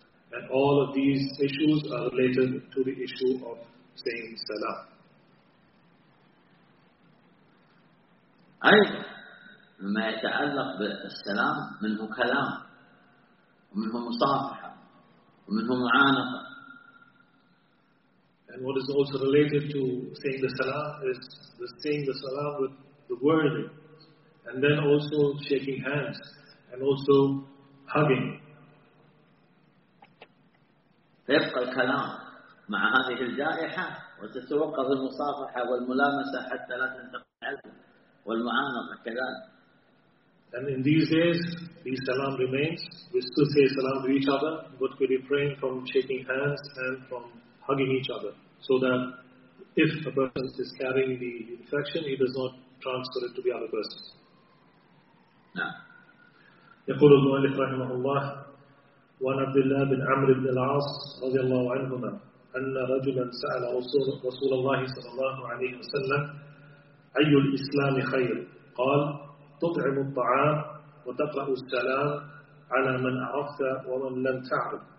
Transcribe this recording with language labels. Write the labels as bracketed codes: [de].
[en] And all of these issues are related to the issue of saying salam. [ar] أيضا مما يتعلق بالسلام منه كلام ومنه مصافحة ومنه معانقة. [en] And what is also related to saying the salam is the saying the salam with the word, and then also shaking hands and also hugging. [ar] فيبقى الكلام مع هذه الجائحة وتتوقف المصافحة والملامسة حتى لا تنتقل والمعانقة كذلك. [en] And in these days, the salam remains. We still say salam to each other, but we refrain from shaking hands and from hugging each other, so that if a person is carrying the infection, he does not transfer it to the other person. [ar] يقول المؤلف رحمه الله وعن عبد الله بن عمرو بن العاص رضي الله عنهما أن رجلا سأل رسول الله صلى الله عليه وسلم أي الإسلام خير؟ قال تطعم الطعام وتقرأ السلام على من أعرفت ومن لم تعرف.